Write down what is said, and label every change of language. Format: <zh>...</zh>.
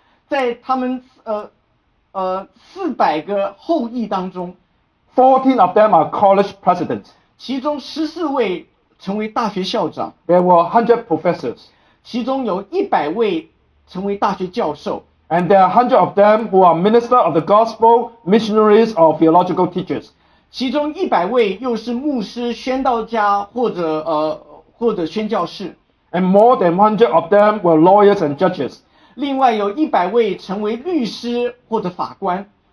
<zh>在他们400个后裔当中</zh> <en>，14 of them are college presidents.</en> <zh>其中14位成为大学校长。</zh> <en>There were 100 professors.</en> <zh>其中有100位成为大学教授。</zh> <en>And there are 100 of them who are ministers of the gospel, missionaries, or theological teachers.</en> <zh>其中100位又是牧师、宣道家或者宣教士。</zh> <en>And more than 100 of them were lawyers and judges.</en> <zh>另外有100位成为律师或者法官。</zh>